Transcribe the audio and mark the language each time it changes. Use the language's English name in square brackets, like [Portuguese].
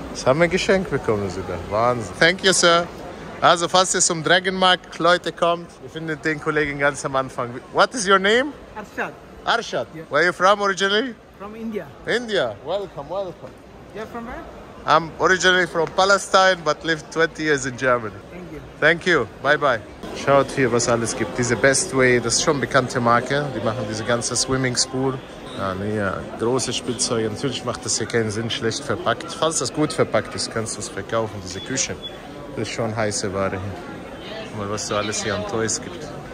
[German] Das haben wir geschenkt bekommen sogar. Wahnsinn. [English] Thank you, sir. [German] Also, falls ihr zum Dragonmarkt Leute kommt, ihr findet den Kollegen ganz am Anfang. [English] What is your name? Arshad. Arshad. Yeah. Where are you from originally? From India. India. Welcome, welcome. You're from where? I'm originally from Palestine, but lived 20 years in Germany. Thank you. Thank you. Bye-bye. [German] Schaut hier, was alles gibt. Diese Best Way, das ist schon eine bekannte Marke. Die machen diese ganze Swimming-Spool. Ja, nee, große Spielzeuge. Natürlich macht das hier keinen Sinn, schlecht verpackt. Falls das gut verpackt ist, kannst du es verkaufen, diese Küche. Das ist schon heiße Ware hier. Guck mal, was da alles hier an Toys gibt.